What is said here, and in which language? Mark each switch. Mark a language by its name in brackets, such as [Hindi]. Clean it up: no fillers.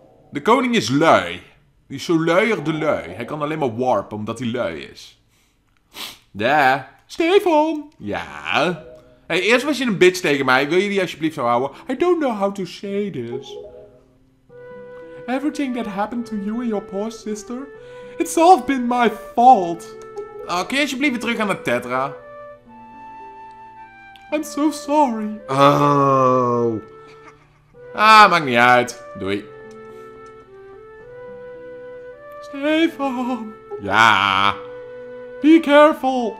[Dutch] De koning is lui. Die is zo luier de lui. Hij kan alleen maar warpen omdat hij lui is. Ja. Stefan! Ja? Hey, eerst was je een bitch tegen mij. Wil je die alsjeblieft zo houden? [English] I don't know how to say this. Everything that happened to you and your poor sister, it's all been my fault. [Dutch] Oh, kun je alsjeblieft weer terug aan de tetra? [English] I'm so sorry. Oh. [Dutch] Ah, maakt niet uit. Doei. Stefan. Ja. [English] Be careful.